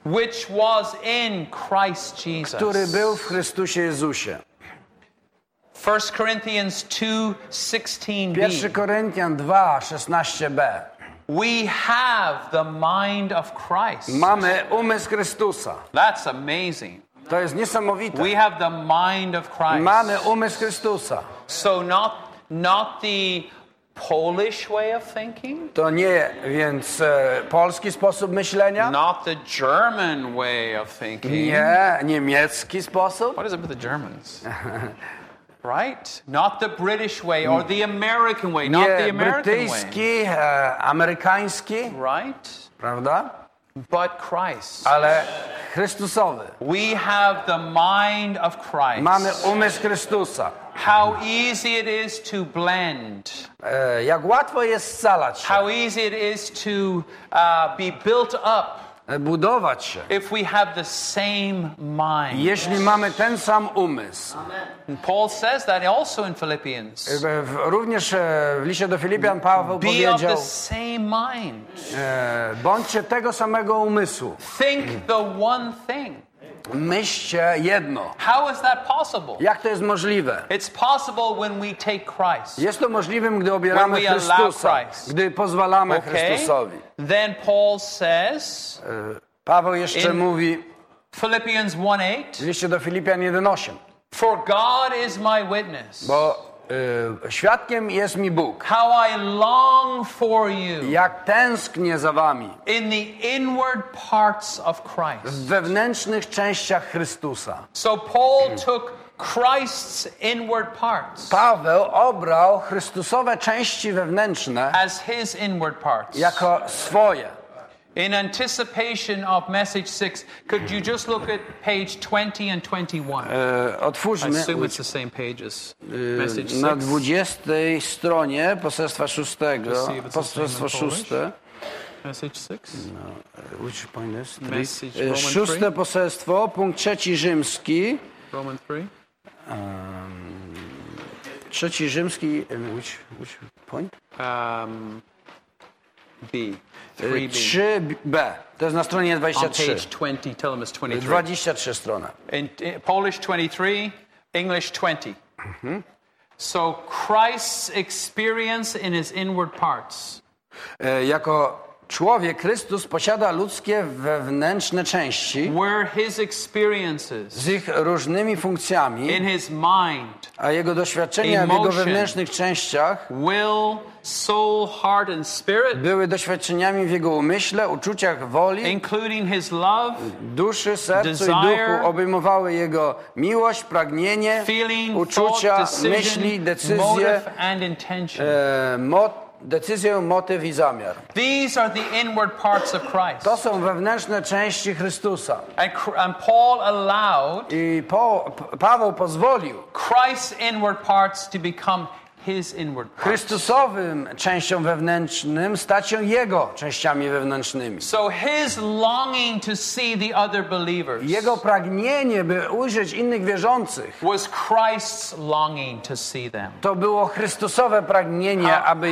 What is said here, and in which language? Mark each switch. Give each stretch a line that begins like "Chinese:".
English: which was in Christ Jesus,
Polish: który był w Chrystusie Jezusie.
English: 1 Corinthians 2:16b.
Polish: 1 Koryntian 2:16b.
English: We have the mind of Christ.
Polish: Mamy umysł Chrystusa.
English: That's amazing.
Polish: To jest niesamowite.
English: We have the mind of Christ.
Polish: Mamy umysł Chrystusa.
English: So not the Polish way of thinking?
Polish: To nie, więc polski sposób myślenia?
English: Not the German way of thinking.
Polish: Nie, niemiecki sposób?
English: What is it with the Germans? Right? Not the British way or the American way.
Polish: Nie,
English: not the American
Polish: brytyjski,
English: way.
Polish: Amerykański.
English: Right?
Polish: Prawda?
English: But Christ.
Polish: Ale Chrystusowy.
English: We have the mind of Christ.
Polish: Mamy umysł Chrystusa.
English: How easy it is to blend.
Polish: Jak łatwo jest scalać się.
English: How easy it is to be built up.
Polish: Budować się.
English: If we have the same mind.
Polish: Jeśli mamy ten sam umysł.
English: Amen. Paul says that also in Philippians.
Polish: Również w liście do Filipian Paweł
English: be
Polish: powiedział.
English: Be of the same mind.
Polish: Bądźcie tego samego umysłu.
English: Think the one thing.
Polish: Myślcie jedno.
English: How is that possible?
Polish: Jak to jest możliwe?
English: It's possible when we take Christ.
Polish: Jest to możliwym, gdy obieramy Chrystusa, gdy pozwalamy Chrystusowi.
English: Then Paul says.
Polish: Paweł jeszcze mówi.
English: Philippians 1:8.
Polish: W liście do Filipian 1:8.
English: For God is my witness.
Polish: Bo świadkiem jest mi Bóg.
English: How I long for you.
Polish: Jak tęsknię za wami.
English: In the inward parts of Christ.
Polish: W wewnętrznych częściach Chrystusa.
English: So Paul took Christ's inward parts.
Polish: Paweł obrał chrystusowe części wewnętrzne
English: as his inward parts.
Polish: Jako swoje.
English: In anticipation of message 6, could you just look at page 20 and 21?
Polish: Otwórzmy.
English: I assume it's the same pages. Message
Polish: 6. Na 20 stronie poselstwa 6. Poselstwo 6.
English: Message 6. No, which point is? Message 6.
Polish: Poselstwo, punkt 3 rzymski.
English: Roman 3.
Polish: Trzeci rzymski,
English: which point? B.
Polish: 3B. To jest na stronie 23.
English: On page 20, tell them it's 23.
Polish: 23 strona.
English: In Polish 23, English 20. So Christ's experience in his inward parts.
Polish: Jako człowiek Chrystus posiada ludzkie wewnętrzne części
English: his experiences,
Polish: z ich różnymi funkcjami,
English: in his mind,
Polish: a jego doświadczenia
English: emotion,
Polish: w jego wewnętrznych częściach
English: will, soul, heart and spirit,
Polish: były doświadczeniami w jego umyśle, uczuciach, woli,
English: including his love,
Polish: duszy, sercu
English: desire,
Polish: i duchu, obejmowały jego miłość, pragnienie,
English: feeling,
Polish: uczucia,
English: thought, decision,
Polish: myśli, decyzje,
English: motive and intention.
Polish: Decyzję, motyw i zamiar.
English: These are the inward parts of Christ.
Polish: To są wewnętrzne części Chrystusa.
English: And Paul allowed
Polish: i Paweł pozwolił
English: Christ's inward parts to become his inward parts.
Polish: Chrystusowym częścią wewnętrznym stać się jego częściami wewnętrznymi.
English: So his longing to see the other believers.
Polish: Jego pragnienie, by ujrzeć innych wierzących,
English: was Christ's longing to see them.
Polish: To było Chrystusowe pragnienie, aby